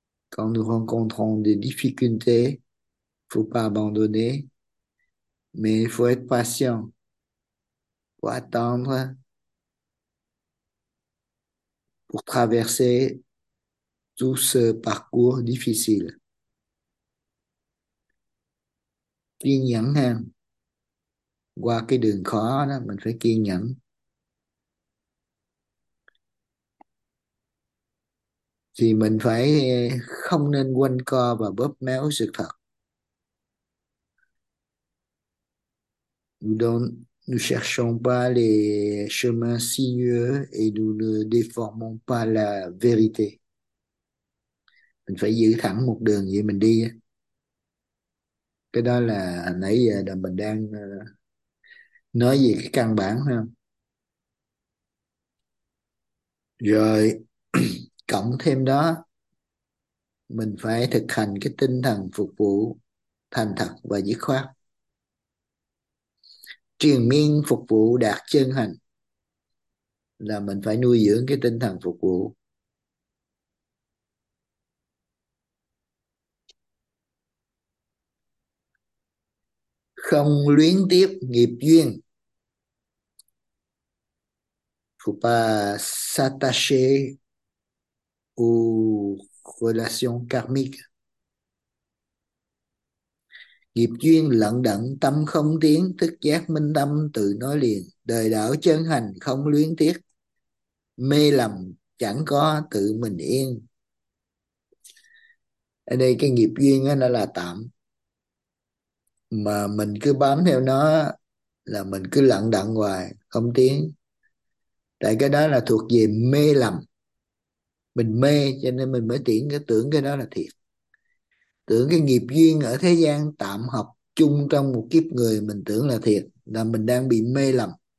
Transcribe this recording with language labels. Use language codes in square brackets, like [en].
[fr] Quand nous rencontrons des difficultés, faut pas abandonner, mais il faut être patient. Faut attendre pour traverser tout ce parcours difficile. [vi] Kiên nhẫn ha. Qua cái đường khó đó, mình phải kiên nhẫn. Thì mình phải không nên quanh co và bóp méo sự thật. [fr] Nous cherchons pas les chemins sinueux et nous ne déformons pas la vérité. [vi] Mình phải giữ thẳng một đường vậy mình đi. Cái đó là nãy giờ là mình đang nói về cái căn bản ha, rồi cộng thêm đó mình phải thực hành cái tinh thần phục vụ thành thật và dứt khoát, triền miên phục vụ đạt chân hạnh, là mình phải nuôi dưỡng cái tinh thần phục vụ. Không luyến tiếc nghiệp duyên. [fr] Faut pas s'attacher aux relations karmiques. [vi] Nghiệp duyên lận đận, tâm không tiến, thức giác minh tâm tự nói liền. Đời đạo chân hành không luyến tiếc, mê lầm chẳng có, tự mình yên. Ở đây cái nghiệp duyên đó, nó là tạm, mà mình cứ bám theo nó là mình cứ lận đận hoài không tiến, tại cái đó là thuộc về mê lầm, mình mê cho nên mình mới tiến cái tưởng cái đó là thiệt, tưởng cái nghiệp duyên ở thế gian tạm hợp chung trong một kiếp người mình tưởng là thiệt, là mình đang bị mê lầm.